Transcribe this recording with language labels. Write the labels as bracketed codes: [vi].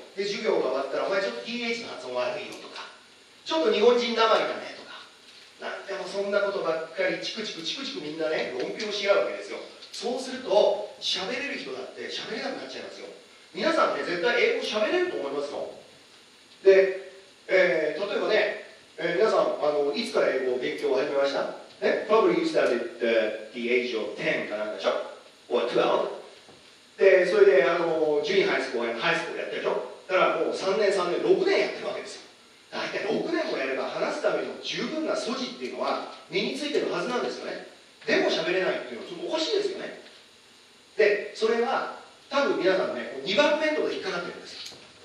[ja] で授業が終わったら、お前ちょっと TH の発音悪いよとか、ちょっと日本人なまりだねとか、なんでもそんなことばっかりチクチクみんなね論評し合うわけですよ。そうすると喋れる人だって喋れなくなっちゃいますよ。皆さんね絶対英語喋れると思いますよ。で、例えばね、皆さんいつから英語を勉強を始めました？ [en] ね、Probably you started at the age of 10 [ja] かなんかでしょ [en] or 12。 [ja] でそれでジュニアハイスクールやハイスクールやってるでしょ。だからもう3年6年やってるわけですよ。だいたい6年もやれば話すための十分な素地っていうのは身についてるはずなんですよね。でも喋れないっていうのはちょっとおかしいですよね。でそれは多分皆さんね2番目のところで引っかかってるんですよ。